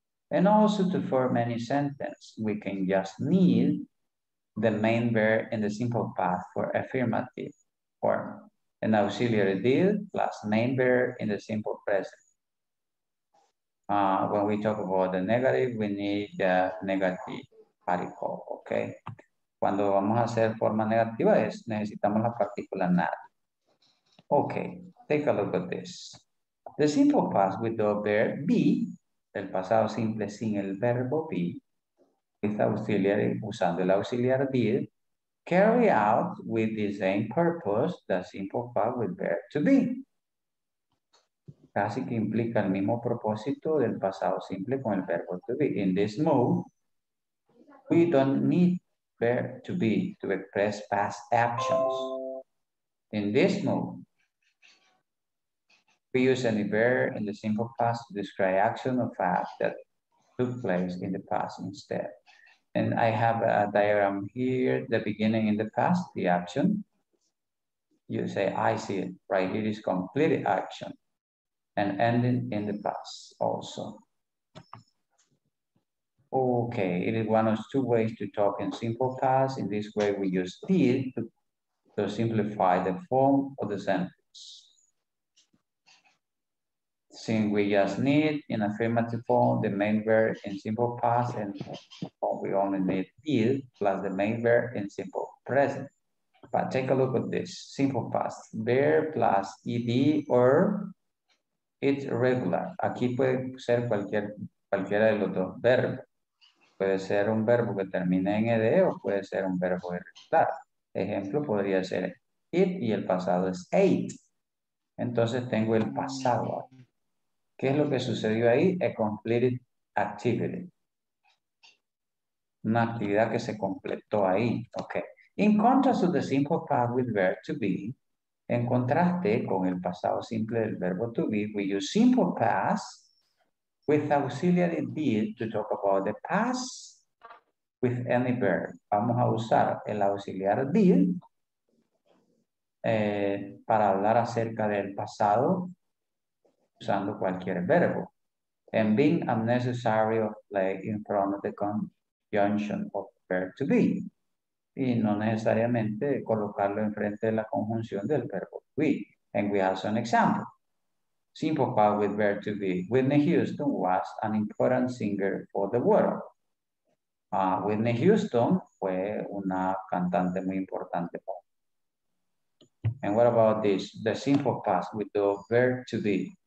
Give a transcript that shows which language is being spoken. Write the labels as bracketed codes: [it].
[en] And also to form any sentence, we can just need the main verb in the simple past for affirmative form. An auxiliary did plus main verb in the simple present. When we talk about the negative, we need the negative particle, okay? [es] Cuando vamos a hacer forma negativa, necesitamos la partícula nada. [en] Okay, take a look at this. The simple past with the verb be, [es] el pasado simple sin el verbo be, [en] with auxiliary, [es] usando el auxiliar did, [en] carry out with the same purpose the simple past with verb to be. [es] Casi que implica el mismo propósito del pasado simple con el verbo to be. [en] In this mode, we don't need verb to be to express past actions. In this mode, we use any verb in the simple past to describe action or fact that took place in the past instead. And I have a diagram here, the beginning in the past, the action. You say, I see it, right here is completed action. And ending in the past also. Okay, it is one of two ways to talk in simple past. In this way, we use did to simplify the form of the sentence. Since we just need in affirmative form the main verb in simple past, and we only need did plus the main verb in simple present. But take a look at this simple past, verb plus ed or it's regular. [es] Aquí puede ser cualquiera de los dos verbos. Puede ser un verbo que termine en ed o puede ser un verbo irregular. Ejemplo podría ser it y el pasado es ate. Entonces tengo el pasado. ¿Qué es lo que sucedió ahí? [en] A completed activity. [es] Una actividad que se completó ahí. Okay. [en] In contrast to the simple past with verb to be, [es] en contraste con el pasado simple del verbo to be, [en] we use simple past with auxiliary did to talk about the past with any verb. [es] Vamos a usar el auxiliar did para hablar acerca del pasado usando cualquier verbo. [en] And being unnecessary of play in front of the conjunction of verb to be. [es] Y no necesariamente colocarlo enfrente de la conjunción del verbo be. [en] And we have an example. Simple past with verb to be. Whitney Houston was an important singer for the world. [es] Whitney Houston fue una cantante muy importante. [en] And what about this? The simple past with the verb to be.